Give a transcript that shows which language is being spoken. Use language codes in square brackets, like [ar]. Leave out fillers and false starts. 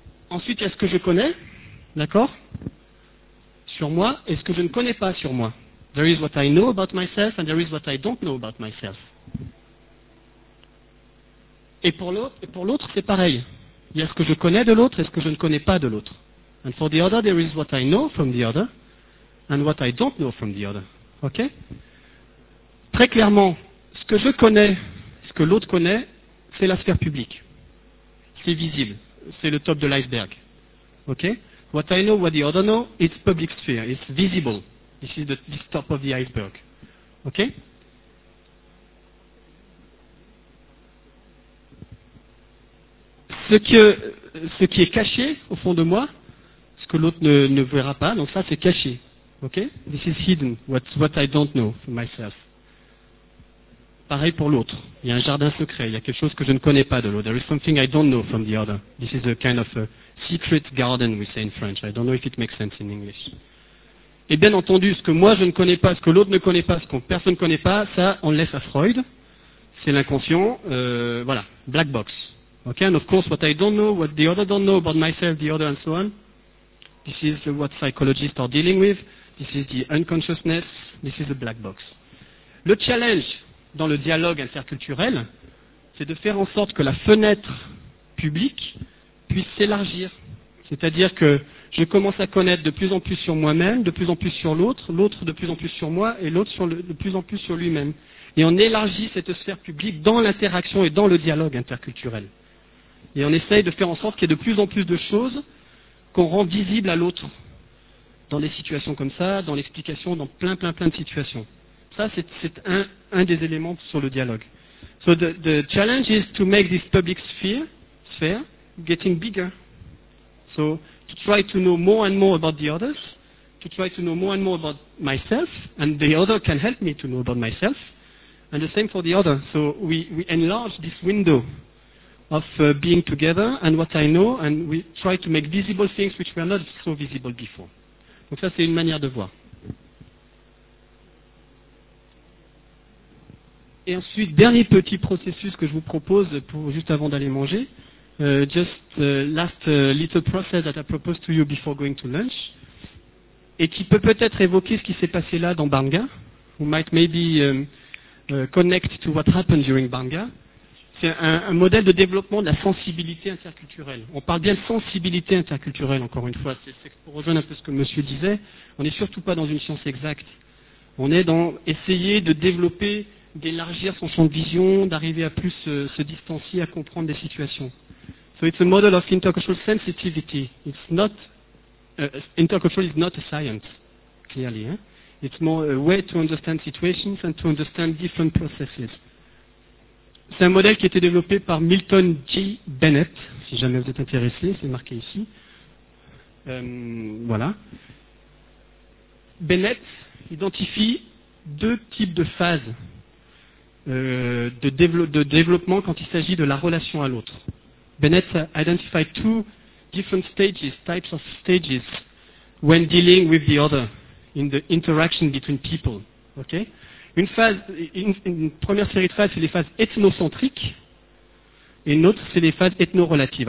[fr] Ensuite, il y a ce que je connais, d'accord ? Sur moi et ce que je ne connais pas sur moi. [en] There is what I know about myself and there is what I don't know about myself. [fr] Et pour l'autre, c'est pareil. Il y a ce que je connais de l'autre et ce que je ne connais pas de l'autre. [en] And for the other, there is what I know from the other and what I don't know from the other. OK? [fr] Très clairement, ce que je connais, ce que l'autre connaît, c'est la sphère publique. C'est visible. C'est le top de l'iceberg. OK? [en] What I know, what the other know, it's public sphere, it's visible. This is the top of the iceberg. Okay? [fr] Ce qui est caché au fond de moi, ce que l'autre ne verra pas, donc ça c'est caché. [en] Okay? This is hidden, what I don't know for myself. [fr] Pareil pour l'autre. Il y a un jardin secret, il y a quelque chose que je ne connais pas de l'autre. [en] There is something I don't know from the other. This is a kind of a secret garden, we say in French. I don't know if it makes sense in English. [fr] Et bien entendu, ce que moi je ne connais pas, ce que l'autre ne connaît pas, ce que personne ne connaît pas, ça on le laisse à Freud. C'est l'inconscient, voilà, [en] black box. [fr] Okay? [en] And of course, what I don't know, what the other don't know about myself, the other and so on. This is what psychologists are dealing with. This is the unconsciousness. This is the black box. [fr] Le challenge dans le dialogue interculturel, c'est de faire en sorte que la fenêtre publique puisse s'élargir. C'est-à-dire que je commence à connaître de plus en plus sur moi-même, de plus en plus sur l'autre, l'autre de plus en plus sur moi, et l'autre de plus en plus sur lui-même. Et on élargit cette sphère publique dans l'interaction et dans le dialogue interculturel. Et on essaye de faire en sorte qu'il y ait de plus en plus de choses qu'on rend visibles à l'autre. Dans des situations comme ça, dans l'explication, dans plein de situations. Ça, c'est un des éléments sur le dialogue. [en] So the challenge is to make this public sphere getting bigger. So to try to know more and more about the others, to try to know more and more about myself, and the other can help me to know about myself, and the same for the other. So we enlarge this window of being together and what I know, and we try to make visible things which were not so visible before. [fr] Donc ça, c'est une manière de voir. Et ensuite, dernier petit processus que je vous propose pour, juste avant d'aller manger. [en] Little process that I propose to you before going to lunch. [fr] Et qui peut peut-être évoquer ce qui s'est passé là dans Banga. [en] Who might maybe connect to what happened during Banga. [fr] C'est un modèle de développement de la sensibilité interculturelle. On parle bien de sensibilité interculturelle, encore une fois. C'est pour rejoindre un peu ce que monsieur disait. On n'est surtout pas dans une science exacte. On est dans essayer de développer, d'élargir son champ de vision, d'arriver à plus se distancier, à comprendre des situations. [en] So it's a model of intercultural sensitivity. It's not intercultural is not a science, clearly. Eh? It's more a way to understand situations and to understand different processes. [fr] C'est un modèle qui a été développé par Milton G. Bennett, si jamais vous êtes intéressé, c'est marqué ici. Voilà. Bennett identifie deux types de phases de développement quand il s'agit de la relation à l'autre. [en] Bennett [fr] identifie [en] two different stages, types of stages, when dealing with the other in the interaction between people. Okay? [fr] Une première série de phases, c'est les phases ethnocentriques, et une autre, c'est les phases ethno-relatives.